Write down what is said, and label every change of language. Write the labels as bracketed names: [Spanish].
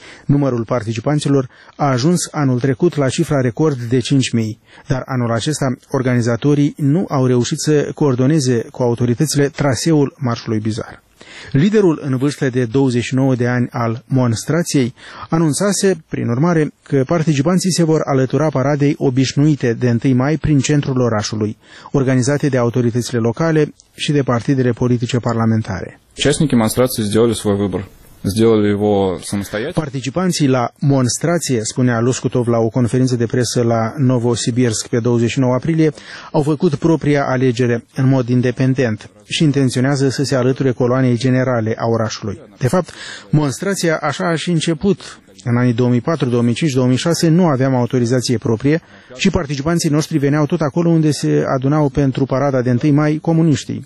[Romanian] Numărul participanților a ajuns anul trecut la cifra record de 5.000, dar anul acesta organizatorii nu au reușit să coordoneze cu autoritățile traseul marșului bizar. Liderul în vârstă de 29 de ani al monstrației anunțase, prin urmare, că participanții se vor alătura paradei obișnuite de 1 mai prin centrul orașului, organizate de autoritățile locale și de partidele politice parlamentare. [Russian] Участники монстрации сделали свой выбор. [Romanian] Participanții la monstrație, spunea Loskutov la o conferință de presă la Novosibirsk pe 29 aprilie, au făcut propria alegere în mod independent și intenționează să se alăture coloanei generale a orașului. De fapt, monstrația așa a și început. În anii 2004-2005-2006 nu aveam autorizație proprie și participanții noștri veneau tot acolo unde se adunau pentru parada de 1 mai comuniștii.